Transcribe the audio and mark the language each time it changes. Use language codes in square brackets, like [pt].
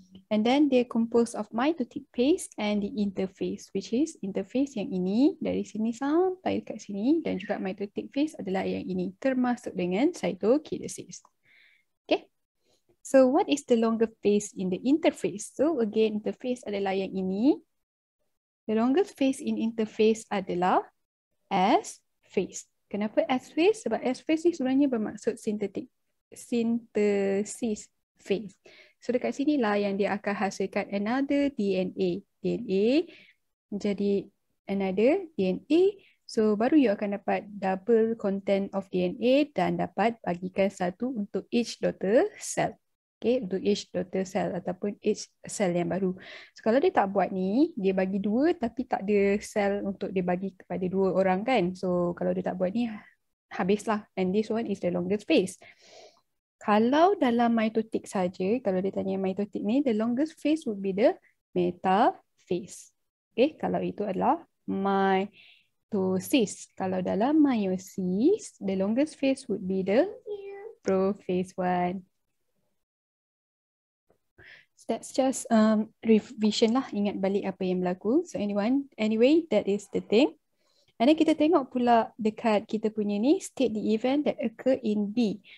[en] And then they're composed of mitotic phase and the interphase, which is interphase [ms] yang ini dari sini sampai dekat sini, dan juga [en] mitotic phase [ms] adalah yang ini termasuk dengan [en] cytokinesis. Okay, so what is the longer phase in the interphase? So again, the phase [ms] adalah yang ini. [en] The longest phase in interphase adalah S phase. Kenapa S phase? [ms] Sebab S phase ni sebenarnya bermaksud synthesis phase. So dekat sini lah yang dia akan hasilkan another DNA. DNA jadi another DNA. So baru you akan dapat [en] double content of DNA [ms] dan dapat bagikan satu untuk each daughter cell. Okay, untuk each daughter cell ataupun each cell yang baru. So kalau dia tak buat ni, dia bagi dua tapi tak ada cell untuk dia bagi kepada dua orang kan. So kalau dia tak buat ni, habislah. [en] And this one is the longest phase. [ms] Kalau dalam mitotik saja, kalau dia tanya mitotik ni, [en] the longest phase would be the metaphase. [ms] Okay, kalau itu adalah mitosis. Kalau dalam [en] meiosis, the longest phase would be the prophase one. So that's just revision lah, [ms] ingat balik apa yang berlaku. [en] So anyway, that is the thing. And then [ms] kita tengok pula dekat kita punya ni, [en] state the event that occur in B.